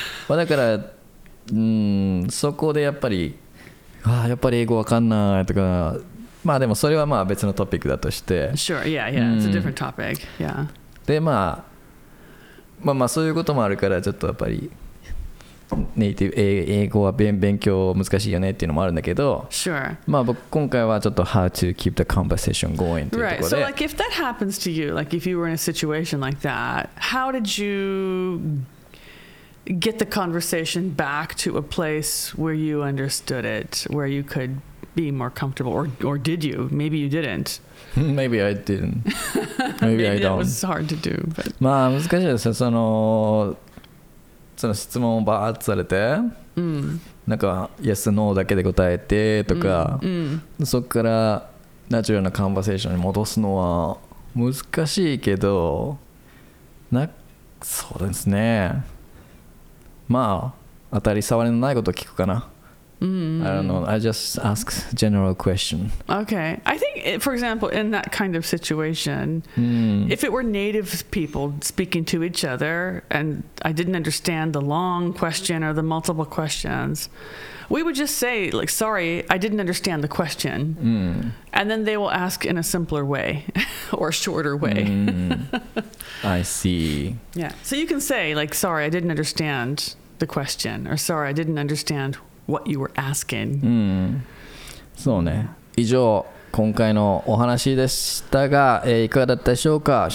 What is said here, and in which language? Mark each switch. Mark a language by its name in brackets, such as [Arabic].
[Japanese] まあだから、そこでやっぱり、やっぱり英語わかんないとか、まあでもそれはまあ別のトピックだとして。 [English] Sure, yeah, yeah, it's a different topic, yeah. [Japanese] で、まあそういうこともあるから、ちょっとやっぱり、ネイティブ英語は勉強難しいよねっていうのもあるんだけど、 [English] sure. [Japanese] まあ僕今回はちょっと [English] How to keep the conversation going [Japanese] というところで、 [English] right. So like if that happens to you, like if you were in a situation like that, how did you get the conversation back to a place where you understood it, where you could be more comfortable, or did you? Maybe you didn't. Maybe I didn't. Maybe I don't. That was hard to do. But... [Japanese] まあ難しいですよ。その質問をバーッとされて、 mm. なんか [English] Yes, No [Japanese] だけで答えてとか、 mm. そこからナチュラルなコンバセーションに戻すのは難しいけど、そうですね、まあ当たり障りのないことを聞くかな。 [English] Mm-hmm. I don't know. I just ask general question. Okay. I think, for example, in that kind of situation, if it were native people speaking to each other and I didn't understand the long question or the multiple questions, we would just say, like, sorry, I didn't understand the question. Mm. And then they will ask in a simpler way or a shorter way. I see. Yeah. So you can say, like, sorry, I didn't understand the question, or sorry, I didn't understand what you were asking. [Japanese] そうね。以上、今回のお話でしたが、いかがだったでしょうか?